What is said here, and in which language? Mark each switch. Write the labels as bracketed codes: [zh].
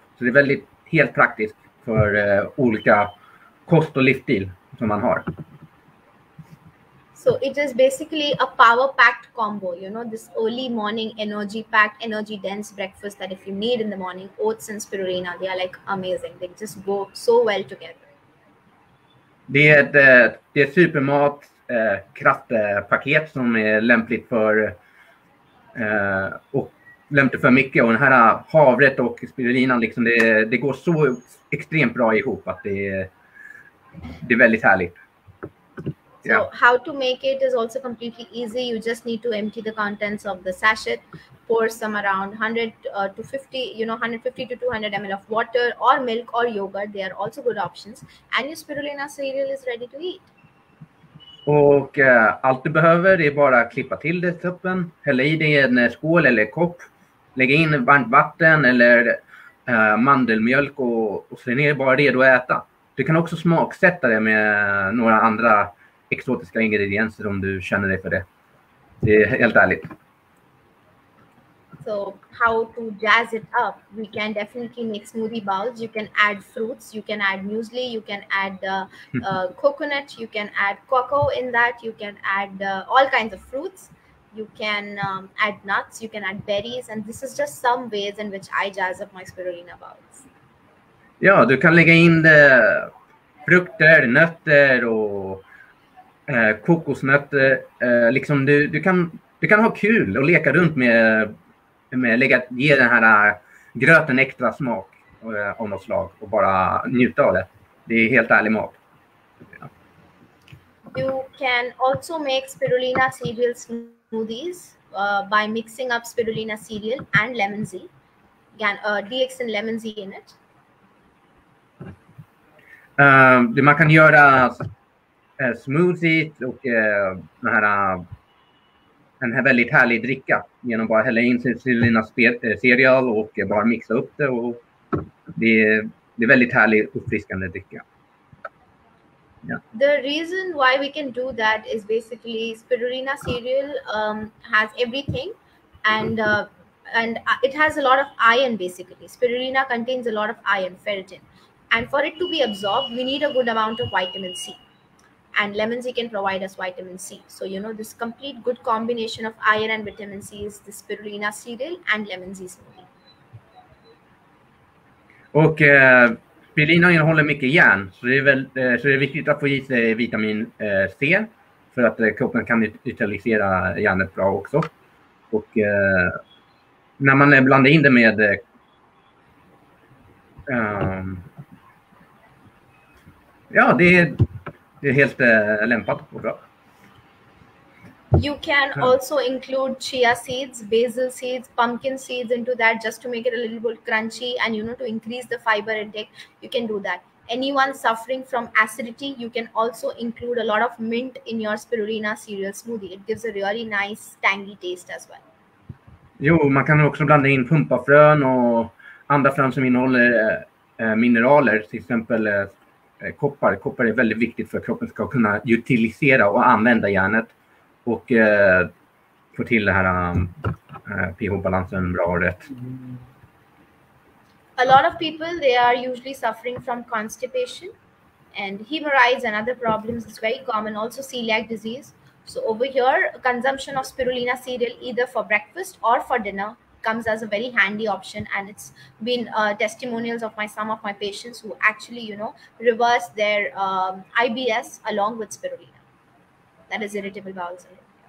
[sv] Så det är väldigt helt praktiskt för olika kost och livsstil som man har. [en] So it is basically a power-packed combo, you know, this early morning energy-packed, energy-dense breakfast that if you need in the morning, oats and spirulina, they are like amazing. They just go so well together. [sv] Det är supermat kraftpaket som är lämpligt för och lämpligt för mycket och den här havret och spirulina liksom det går så extremt bra ihop att det är väldigt härligt. So yeah. [en] How to make it is also completely easy. You just need to empty the contents of the sachet, pour some around 150 to 200 ml of water or milk or yogurt. They are also good options. And your spirulina cereal is ready to eat. [sv] Och allt du behöver är bara att klippa till det tuppen, hälla i det i en skål eller kopp, lägga in varmt vatten eller mandelmjölk och sen är bara redo att äta. Du kan också smaksätta det med några andra exotiska ingredienser om du känner dig för det. Det är helt ärligt. [en] So how to jazz it up? We can definitely make smoothie bowls. You can add fruits, you can add muesli, you can add coconut, you can add cocoa in that, you can add all kinds of fruits, you can add nuts, you can add berries, and this is just some ways in which I jazz up my spirulina bowls. [sv] Ja, du kan lägga in frukter, nötter och kokosnötter, liksom du kan ha kul och leka runt med att ge den här gröten extra smak av något slag och bara njuta av det. Det är helt ärlig mat. Ja. [en] You can also make spirulina cereal smoothies by mixing up spirulina cereal and lemon zee. Again, DX and lemon zee in it. [sv] Man kan göra smoothies och den här en här väldigt härlig dricka genom bara hälla in spirulina cereal och bara mixa upp det, och det är väldigt härlig uppfriskande dricka. Ja. [en] The reason why we can do that is basically spirulina cereal has everything and it has a lot of iron basically. Spirulina contains a lot of iron, ferritin, and for it to be absorbed we need a good amount of vitamin C. And lemon zee can provide us vitamin C. So, you know, this complete good combination of iron and vitamin C is the spirulina cereal and lemon zee smoothie. [sv] Och spirulina innehåller mycket järn, så det är viktigt att få i sig vitamin C för att kroppen kan utilisera järnet bra också. Och när man blandar in det med ja, det är helt lämpat och bra. [en] You can also include chia seeds, basil seeds, pumpkin seeds into that just to make it a little bit crunchy, and you know, to increase the fiber intake, you can do that. Anyone suffering from acidity, you can also include a lot of mint in your spirulina cereal smoothie. It gives a really nice tangy taste as well. [sv] Jo, man kan också blanda in pumpafrön och andra frön som innehåller mineraler, till exempel koppar. Koppar är väldigt viktigt för att kroppen ska kunna utilisera och använda järnet och få till det här pH-balansen bra och rätt. [en] A lot of people, they are usually suffering from constipation and hemorrhoids and other problems is very common, also celiac disease. So over here, consumption of spirulina cereal either for breakfast or for dinner comes as a very handy option, and it's been testimonials of some of my patients who actually, you know, reverse their IBS along with spirulina, that is irritable bowel syndrome.